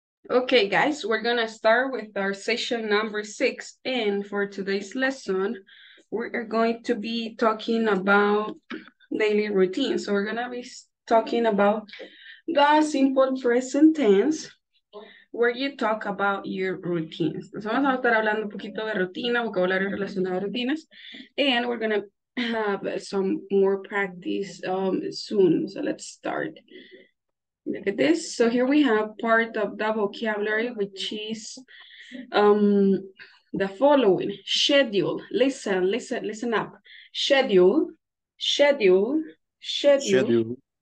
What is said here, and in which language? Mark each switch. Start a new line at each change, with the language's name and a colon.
English: Okay, guys, we're going to start with our session number six. And for today's lesson, we are going to be talking about daily routine. So we're going to be talking about the simple present tense where you talk about your routines.
Spanish: Entonces vamos a estar hablando un poquito de rutina, vocabulario relacionado a rutinas.
English: And we're going to have some more practice soon. So let's start. Look at this. So here we have part of the vocabulary, which is the following. Schedule. Listen, listen, listen up. Schedule, schedule, schedule.